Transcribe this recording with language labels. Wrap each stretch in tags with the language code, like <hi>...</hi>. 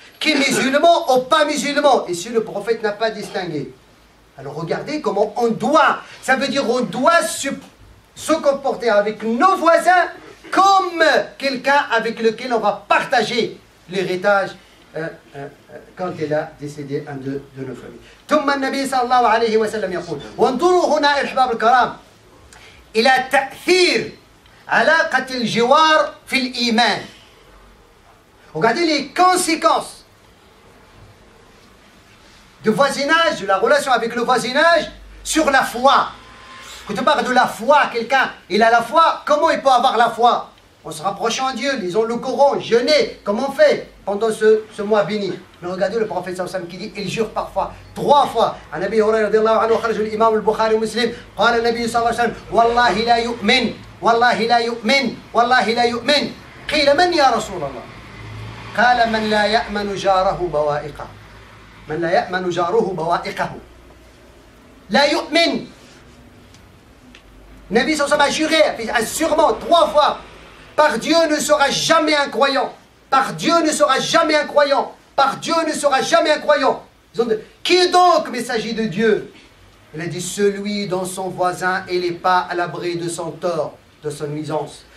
<fr>Qui est musulman ou pas musulman, et si le prophète n'a pas distingué. Alors regardez comment on doit, ça veut dire on doit se comporter avec nos voisins comme quelqu'un avec lequel on va partager l'héritage quand il a décédé un de nos familles.</fr> <ar>ثم النبي صلى الله عليه وسلم يقول وانظروا هنا احباب الكرام الى تاثير علاقه الجوار في الايمان.</ar> <fr>Regardez les conséquences du voisinage, de la relation avec le voisinage sur la foi. Quand tu parles de la foi, quelqu'un, il a la foi, comment il peut avoir la foi? En se rapprochant à Dieu, lisant le Coran, jeûner, comment on fait pendant ce mois béni? Mais regardez le prophète sallallahu alayhi wa sallam qui dit, il jure parfois, trois fois.</fr> <ar>A Nabi Hurayra radiallahu anhu, kharaj l'imam al-Bukhari muslim, قال Nabi sallallahu alayhi wa sallam, Wallahi la yu'min, Wallahi la yu'min, Wallahi la yu'min. Qila man ya Rasulallah? قال من لا يأمن جاره بوائقه من لا يأمن جاره بوائقه لا يؤمن. النبي صلى الله عليه وسلم جوري</ar> <fr>assurément trois fois par Dieu ne sera jamais un croyant, par Dieu ne sera jamais un croyant, par Dieu ne sera jamais un croyant. Ils ont dit, qui est donc messager de Dieu? Il a dit celui dont son voisin il n'est pas à l'abri de son tort, de son nuisance.</fr>